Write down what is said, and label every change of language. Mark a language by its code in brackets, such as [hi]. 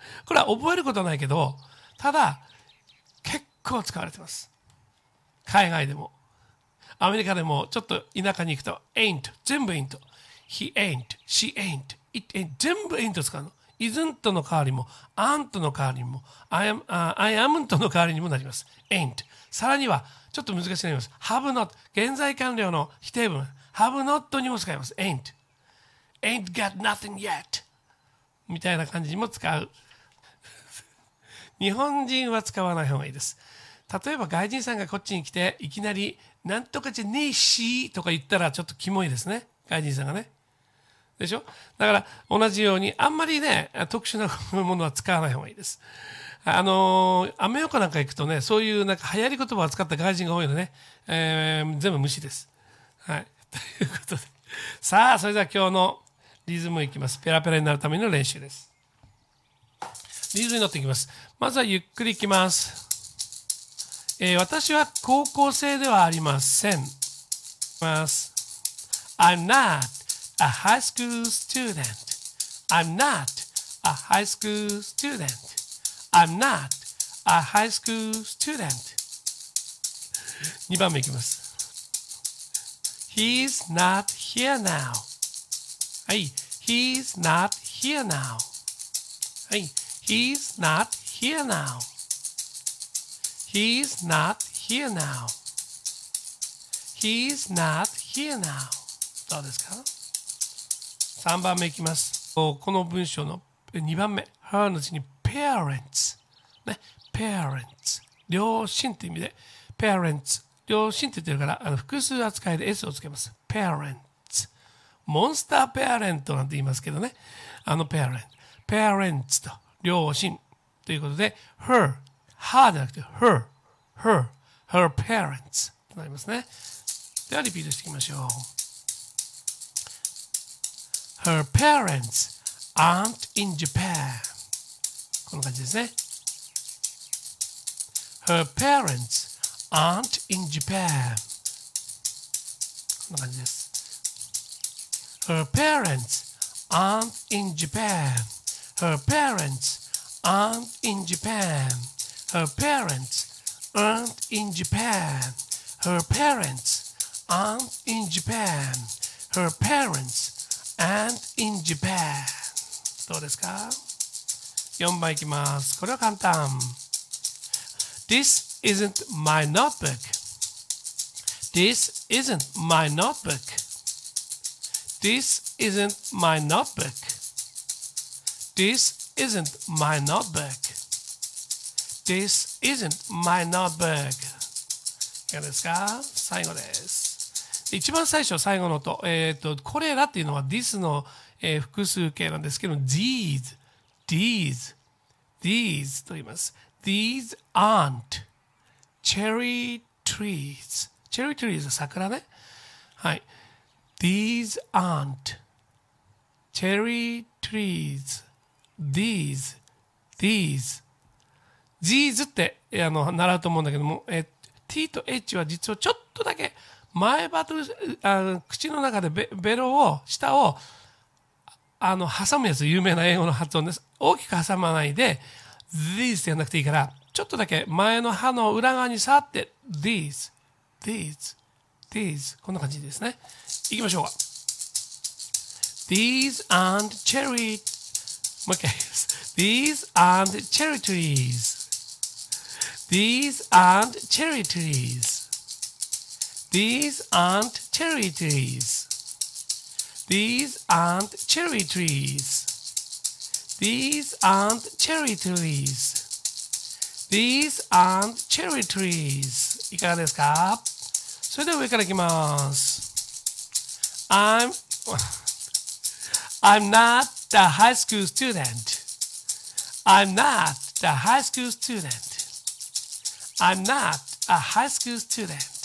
[ja] これは覚えることはないけど、ただ、結構使われてます。海外でも。アメリカでも、ちょっと田舎に行くと、ain't、全部 ain't。 [en] he ain't、she ain't、it ain't、全部 ain't 使うの。 [ja] isn't の代わりも、aren't の代わりも、I amn't の代わりにもなります。 [en] ain't。 [ja] さらには、ちょっと難しくなります。have not、現在完了の否定文、have not にも使います。 [en] ain't。 ain't got nothing yet。 [ja] みたいな感じにも使う。日本人は使わない方がいいです。例えば外人さんがこっちに来て、いきなり、なんとかじゃねえしとか言ったらちょっとキモいですね。外人さんがね。でしょ? だから同じように、あんまりね、特殊なものは使わない方がいいです。アメ横なんか行くとね、そういうなんか流行り言葉を使った外人が多いのね、全部無視です。はい。ということで。さあ、それでは今日のリズムいきます。ペラペラになるための練習です。リズムに乗っていきます。まずはゆっくりいきます。私は高校生ではありません。 [en] I'm not a high school student. I'm not a high school student. I'm not a high school student. 2番目いきます。He's not here now. はい。 He's not here now. Hey, he's not here now. He's not here now. He's not here now. [ja] どうですか?3番目いきます。この文章の2番目。 her の字に parents。ね。parents。 両親って意味で。parents。両親って言ってるから、複数扱いで S をつけます。 [en] parents。 [ja] モンスターペアレントなんて言いますけどね。ペアレント。ペアレントと、両親。ということで、her。 [en] her じゃなくて、her。 her。 her parents。 [ja] となりますね。では、リピートしていきましょう。 [en] her parents aren't in Japan。 [ja] こんな感じですね。 [en] her parents aren't in Japan。 [ja] こんな感じです。 [en] Her parents aren't in Japan. Her parents aren't in Japan. Her parents aren't in Japan. Her parents aren't in Japan. Her parents aren't in Japan. [ja] どうですか?4番いきます。これは簡単。 [en] This isn't my notebook. This isn't my notebook. This isn't my notebook. This isn't my notebook. This isn't my notebook. [ja] いかがですか? 最後です。一番最初、最後の音。これらっていうのは this の、複数形なんですけど、these, these, these と言います。 [en] These aren't cherry trees. [ja] Cherry trees は桜ね。はい。 [en] These aren't cherry trees. These, these. [ja] These って習うと思うんだけども、T と H は実はちょっとだけ前歯と口の中でベロを、舌を挟むやつ、有名な英語の発音です。大きく挟まないで、These ってやんなくていいから、ちょっとだけ前の歯の裏側に触って、These, these. [en] These. [ja] こんな感じですね。行きましょうか。 [en] These aren't cherry. もう一回。These aren't cherry trees. These aren't cherry trees. These aren't cherry trees. These aren't cherry trees. These aren't cherry trees. These aren't cherry trees. [ja] いかがですか？それでは上からいきます。 [en] I'm not the high school student. I'm not the high school student. I'm not a high school student.